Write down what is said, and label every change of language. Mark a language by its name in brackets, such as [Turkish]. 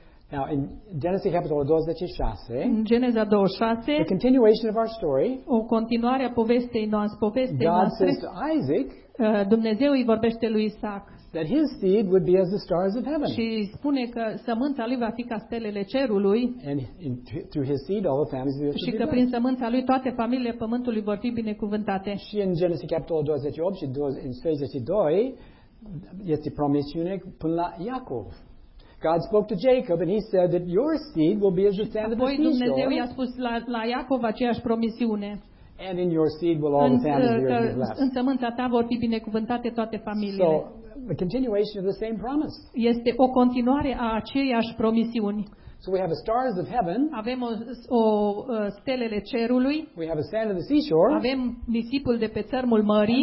[English] Now in Genesis chapter 26, [Romanian] in Geneza 26, [English] the continuation of our story, [Romanian] o continuare a povestei noastre, [English] God says to Isaac, [Romanian] Dumnezeu îi vorbește lui Isaac, [English] that his seed would be as the stars of heaven. [Romanian] Și spune că sămânța lui va fi ca stelele cerului. [English] And through his seed all the families of the earth. [Romanian] Și că prin sămânța lui toate familiile pământului vor fi binecuvântate. Și în [English] Genesis chapter 28 [Romanian] și 32, este promisiune până la Iacov. [English] God spoke to Jacob and he said that your seed will be as the sand of the seashore. [Romanian] Dumnezeu i-a spus la Iacov aceeași promisiune. [English] And in your seed will all the families of the earth be blessed. [Romanian] În sămânța ta vor fi binecuvântate toate familiile. [English] So, a continuation of the same promise. [Romanian] Este o continuare a aceeași promisiuni. [English] So we have a stars of heaven. [Romanian] Avem o stelele cerului. [English] We have a sand of the seashore. [Romanian] Avem nisipul de pe țărmul mării.